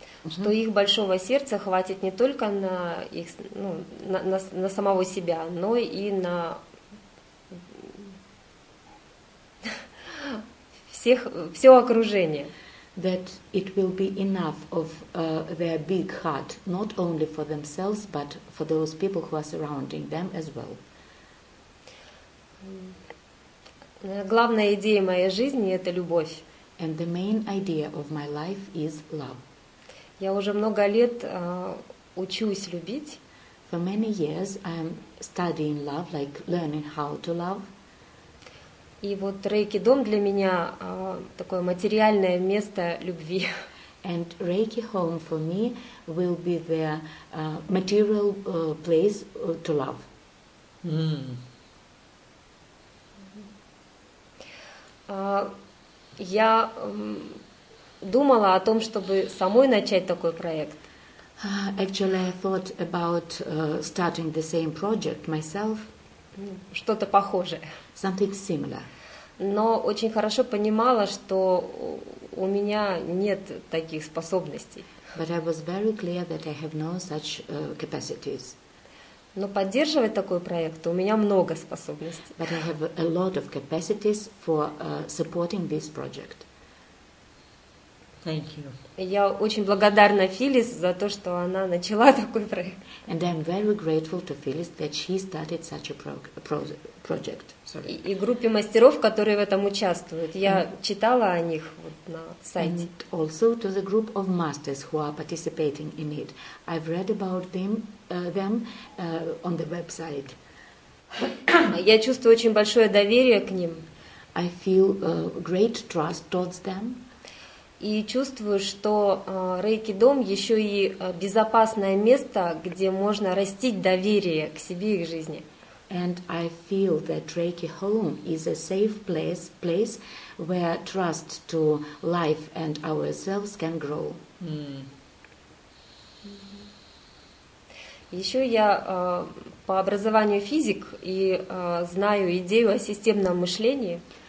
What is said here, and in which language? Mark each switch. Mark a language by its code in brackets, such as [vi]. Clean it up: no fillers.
[ru] Что их большого сердца хватит не только на их, ну, на самого себя, но и на всех, все окружение. [en] That it will be enough of their big heart, not only for themselves, but for those people who are surrounding them as well. [ru] Главная идея моей жизни — это любовь. [en] And the main idea of my life is love. [ru] Я уже много лет учусь любить. [en] For many years I'm studying love, like learning how to love. [ru] И вот Reiki дом для меня такое материальное место любви. [en] And Reiki home for me will be the material place to love. [ru] Я думала о том, чтобы самой начать такой проект. [en] Actually, I thought about starting the same project myself. [ru] Что-то похожее. [en] Something similar. [ru] Но очень хорошо понимала, что у меня нет таких способностей. [en] But I was very clear that I have no such capacities. [ru] Но поддерживать такой проект у меня много способностей. [en] But I have a lot of capacities for supporting this project. Thank you. [ru] Я очень благодарна Филис за то, что она начала такой проект. [en] And I'm very grateful to Phyllis that she started such a project. Sorry. [ru] И группе мастеров, которые в этом участвуют. Я читала о них вот на сайте. [en] And also to the group of masters who are participating in it. I've read about them on the website. [ru] Я чувствую очень большое доверие к ним. [en] I feel great trust towards them. [ru] И чувствую, что Reiki дом еще и безопасное место, где можно растить доверие к себе и к жизни. [en] And I feel that Reiki home is a safe place where trust to life and ourselves can grow. [ru] Еще я по образованию физик и знаю идею о системном мышлении.